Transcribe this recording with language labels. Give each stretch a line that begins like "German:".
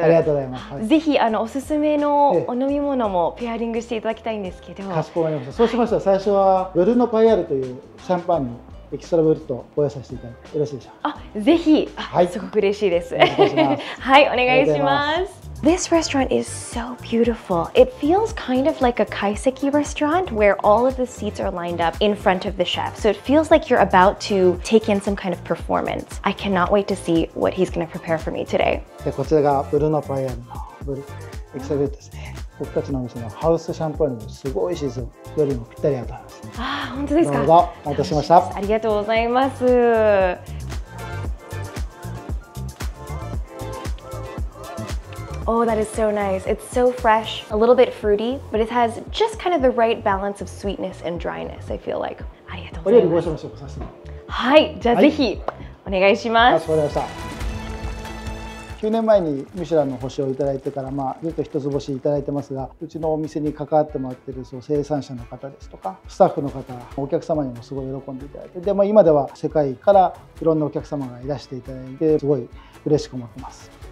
Japanese: ありがとうございます。はい、ぜひおすすめのお飲み物もペアリングしていただきたいんですけど。かしこまりました。そうしましたら、はい、最初はブルノパイアルというシャンパンのエキストラブルトをご用意させていただいてよろしいでしょうか。あ、ぜひ、はい、すごく嬉しいです。はい、お願いします。
English: This restaurant is so beautiful. It feels kind of like a kaiseki restaurant where all of the seats are lined up in front of the chef. So it feels like you're about to take in some kind of performance. I cannot wait to see what he's going to prepare for me today.
Japanese: で、こちらがブルノパイアルのブルエキストラブルトですね。僕たちのお店のハウスシャンパーニュもすごいシーズンよりもぴったりだと思いますね。ああ、本当ですか。どうぞ、お待たせしました。ありがとうございます。
English: Oh, that is so nice. It's so fresh, a little bit fruity, but it has just kind of the right balance of sweetness and dryness, I feel like.
Japanese: ありがとうございます。お料理ご用意しましょう、さすが。はい、じゃあぜひ、はい、お願いします。かしこまりました。 9年前にミシュランの星をいただいてから、まあ、ずっと一つ星いただいてますが、うちのお店に関わってもらっているその生産者の方ですとかスタッフの方、お客様にもすごい喜んでいただいて、で、まあ、今では世界からいろんなお客様がいらしていただいてすごい嬉しく思ってます。